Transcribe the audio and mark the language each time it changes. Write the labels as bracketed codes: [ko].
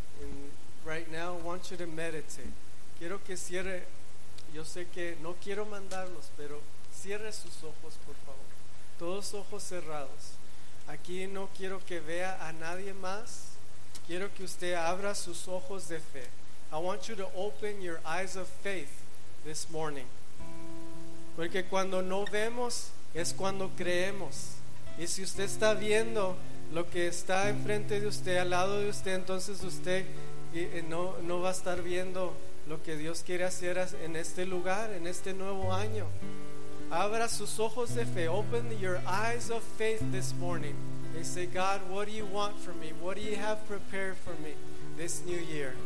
[en] And right now I want you to meditate. [es] Quiero que cierre, yo sé que no quiero mandarlos, pero cierre sus ojos, por favor. Todos ojos cerrados. Aquí no quiero que vea a nadie más. Quiero que usted abra sus ojos de fe. [en] I want you to open your eyes of faith this morning. [es] Porque cuando no vemos es cuando creemos. Y si usted está viendo lo que está enfrente de usted, al lado de usted, entonces usted no va a estar viendo lo que Dios quiere hacer en este lugar, en este nuevo año. Abra sus ojos de fe. [en] Open your eyes of faith this morning. And say, God, what do you want for me? What do you have prepared for me this new year?